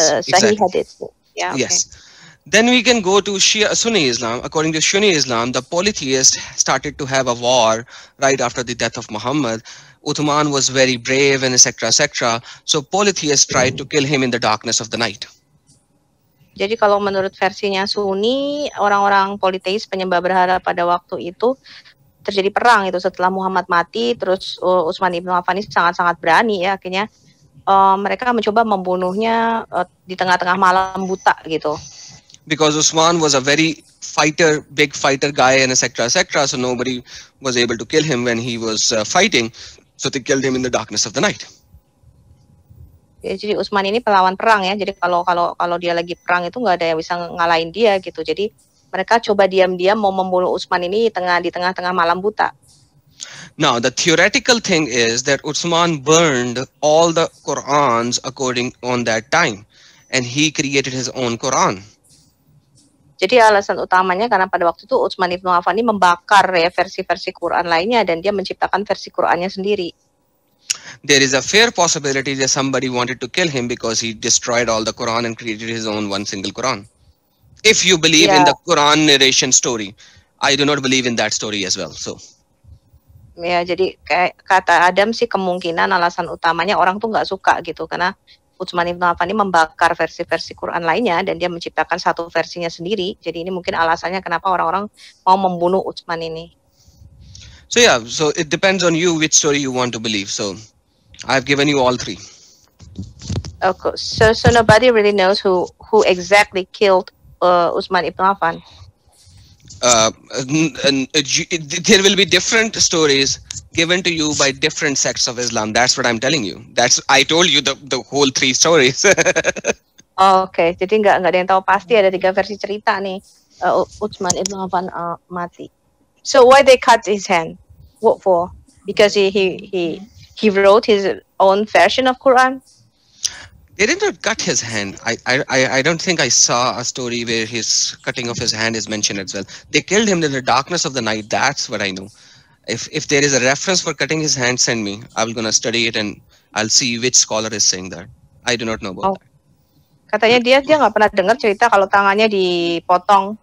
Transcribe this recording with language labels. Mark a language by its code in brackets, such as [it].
[en] exactly. Yeah, yes. Okay. Then we can go to Sunni Islam. According to Sunni Islam, the polytheists started to have a war right after the death of Muhammad. Uthman was very brave and etc. So polytheists tried to kill him in the darkness of the night. [id] Jadi kalau menurut versinya Sunni, orang-orang politeis penyembah berhala pada waktu itu terjadi perang itu setelah Muhammad mati, terus Utsman ibn Affan sangat-sangat berani ya akhirnya. Mereka mencoba membunuhnya di tengah-tengah malam buta gitu. [en] Because Usman was a very fighter, big fighter guy and etc. So nobody was able to kill him when he was fighting. So they killed him in the darkness of the night. [id] Ya, jadi Usman ini pelawan perang ya. Jadi kalau dia lagi perang itu nggak ada yang bisa ngalahin dia gitu. Jadi mereka coba diam-diam mau membunuh Usman ini di tengah-tengah malam buta. [en] Now, the theoretical thing is that Utsman burned all the Qurans according on that time, and he created his own Quran. [id] Jadi alasan utamanya karena pada waktu itu Utsman ibn Affan membakar ya versi-versi Quran lainnya dan dia menciptakan versi Qurannya sendiri. [en] There is a fair possibility that somebody wanted to kill him because he destroyed all the Quran and created his own one single Quran. If you believe in the Quran narration story, I do not believe in that story as well, so... [id] Ya, jadi kata Adam sih kemungkinan alasan utamanya orang tuh nggak suka gitu karena Utsman ibn Affan ini membakar versi-versi Quran lainnya dan dia menciptakan satu versinya sendiri. Jadi ini mungkin alasannya kenapa orang-orang mau membunuh Utsman ini. [en] So yeah, so it depends on you which story you want to believe. So I've given you all three. Okay, so nobody really knows who exactly killed Utsman ibn Affan. There will be different stories given to you by different sects of Islam. That's what I'm telling you. That's I told you the whole three stories. [id] Okay, jadi nggak ada yang tahu pasti ada tiga versi cerita nih. Utsman ibn Affan mati. [en] So why they cut his hand? What for? Because he wrote his own version of Quran. They did not cut his hand. I don't think I saw a story where his cutting of his hand is mentioned as well. They killed him in the darkness of the night. That's what I know. If there is a reference for cutting his hand, send me. I'm gonna study it and I'll see which scholar is saying that. I do not know about that. [id] Katanya dia nggak pernah dengar cerita kalau tangannya dipotong.